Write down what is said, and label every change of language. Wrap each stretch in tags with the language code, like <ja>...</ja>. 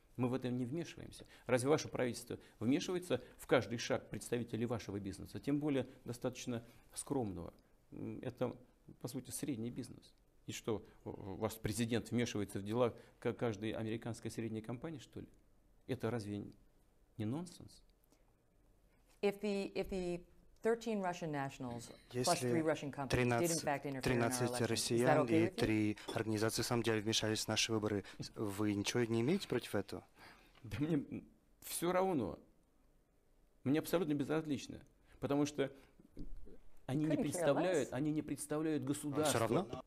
<ru>Мы в этом не вмешиваемся. Разве ваше правительство вмешивается в каждый шаг представителей вашего бизнеса, тем более достаточно скромного? Это, по сути, средний бизнес. И что, ваш президент вмешивается в дела каждой американской средней компании, что ли? Это разве не нонсенс?</ru> <en>If the 13 Russian nationals plus 3 Russian companies did in fact interfere in our elections,</en> <ru>13 россиян и 3 организации, на самом деле, вмешались в наши выборы, вы ничего не имеете против этого? Да мне все равно. Мне абсолютно безразлично. Потому что они не представляют государство. Все равно?</ru>